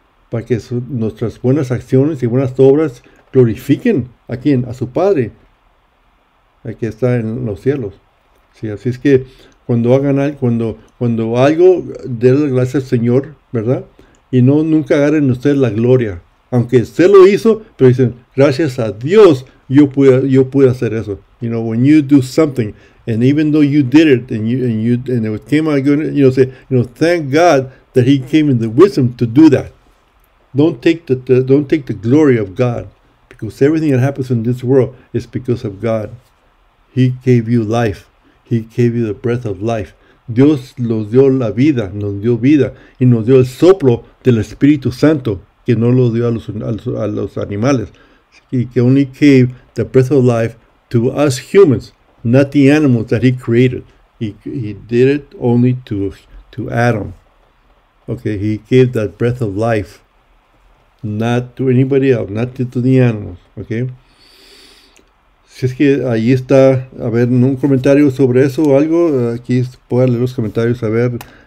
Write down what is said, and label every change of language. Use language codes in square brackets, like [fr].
[es] Para que nuestras buenas acciones y buenas obras glorifiquen a quién, a su Padre, a que está en los cielos. Sí, así es que, Cuando algo, déle gracias al Señor, ¿verdad? Y no nunca agarren ustedes la gloria. Aunque usted lo hizo, pero dicen, gracias a Dios, yo pude hacer eso. [en] You know, when you do something, and even though you did it, and it came out good, you know, thank God that he came in the wisdom to do that. Don't take the glory of God. Because everything that happens in this world is because of God. He gave you life. He gave you the breath of life. [es] Dios nos dio la vida, nos dio vida, y nos dio el soplo del Espíritu Santo, que no lo dio a los animales. [en] He only gave the breath of life to us humans, not the animals that he created. He did it only to Adam. Okay, he gave that breath of life, not to anybody else, not to the animals, okay? [es] Si es que ahí está, a ver, un comentario sobre eso o algo, aquí puedo leer los comentarios, a ver.